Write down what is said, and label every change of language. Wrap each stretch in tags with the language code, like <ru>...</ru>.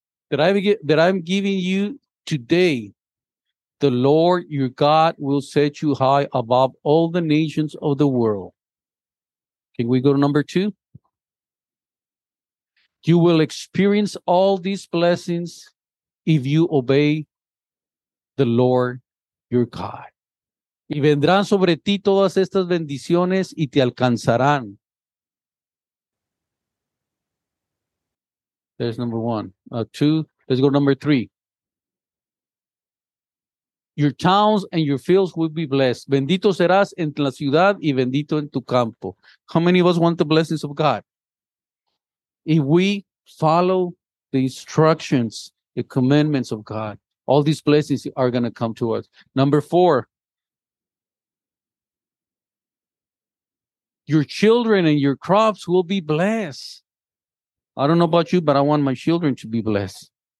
<en>That I'm giving you today, the Lord your God will set you high above all the nations of the world. Can we go to number 2? You will experience all these blessings if you obey the Lord your God.</en> <es>Y vendrán sobre ti todas estas bendiciones y te alcanzarán.</es> <en>There's number 1. 2. Let's go to number 3. Your towns and your fields will be blessed.</en> <es>Bendito serás en la ciudad y bendito en tu campo.</es> <en>How many of us want the blessings of God? If we follow the instructions, the commandments of God, all these blessings are going to come to us. Number 4. Your children and your crops will be blessed. I don't know about you, but I want my children to be blessed.</en>